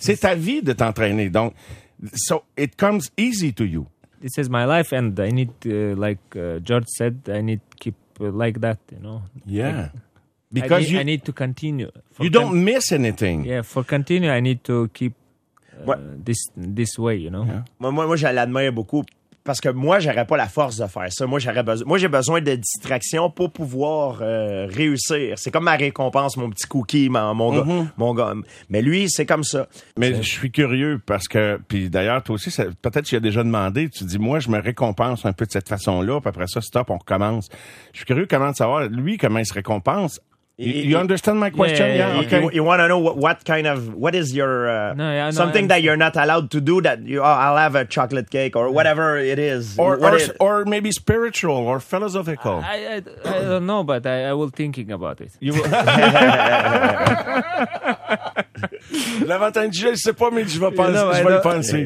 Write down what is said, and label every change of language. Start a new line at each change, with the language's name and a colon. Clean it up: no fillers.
French: C'est ta vie de t'entraîner. Donc,
English: so it comes easy to you. This is my life, and I need, George said, I need to keep. Like that, you know. Yeah, like, because I need to continue. You don't miss anything. Yeah, for continue, I need to keep this way, you know. Yeah.
French: Moi, je l'admire beaucoup parce que moi, j'aurais pas la force de faire ça. J'ai besoin de distractions pour pouvoir réussir. C'est comme ma récompense, mon petit cookie, mon gars. Mais lui, c'est comme ça. Mais je suis curieux parce que, puis d'ailleurs, toi aussi, peut-être tu as déjà demandé, tu dis, moi, je me récompense un peu de cette façon-là, puis après ça, stop, on recommence. Je suis curieux comment de savoir, lui, comment il se récompense.
English: You understand my question? Yeah. Okay. You want to know what kind of, what is your, something that you're not allowed to do that I'll have a chocolate cake or whatever it is. Or maybe spiritual or philosophical. I don't know, but I will thinking about it. You will.
French: L'avantage, je sais pas, mais je vais penser.